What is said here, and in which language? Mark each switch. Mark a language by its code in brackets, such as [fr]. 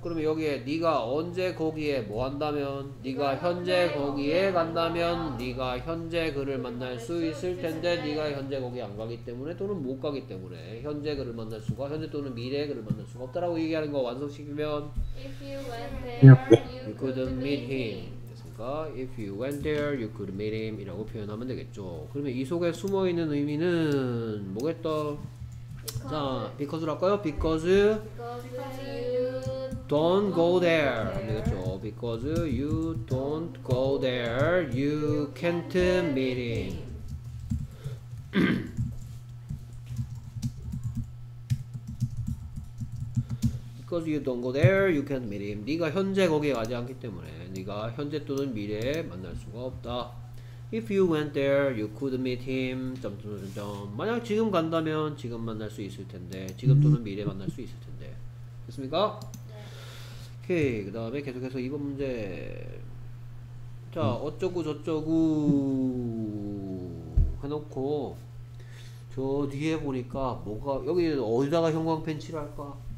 [ko] 그러면 여기에 네가 언제 거기에 뭐 한다면 네가 현재 거기에 간다면 네가 현재 그를 만날 수 있을 텐데 네가 현재 거기에 안 가기 때문에 또는 못 가기 때문에 현재 그를 만날 수가 현재 또는 미래 그를 만날 수가 없다라고 얘기하는 거 완성시키면 [en] If you went there, you couldn't meet him. [ko] 됐습니까? [en] If you went there, you could meet him. [ko] 이라고 표현하면 되겠죠. 그러면 이 속에 숨어 있는 의미는 뭐겠다? [en] Because. [ko] 자, because로 할까요? Because, [en] because you don't go there. [ko] 안 되겠죠. [en] Because you don't go there, you can't meet him. 'Cause you don't go there, you can't meet him. [ko] 네가 현재 거기에 가지 않기 때문에 네가 현재 또는 미래에 만날 수가 없다. [en] If you went there, you could meet him. [ko] 점점점점. 만약 지금 간다면 지금 만날 수 있을 텐데 지금 또는 미래 만날 수 있을 텐데. 됐습니까? 네. 오케이. 그 다음에 계속해서 2번 문제. 자, 어쩌구 저쩌구 해놓고 저 뒤에 보니까 뭐가 여기 어디다가 형광펜치를 할까?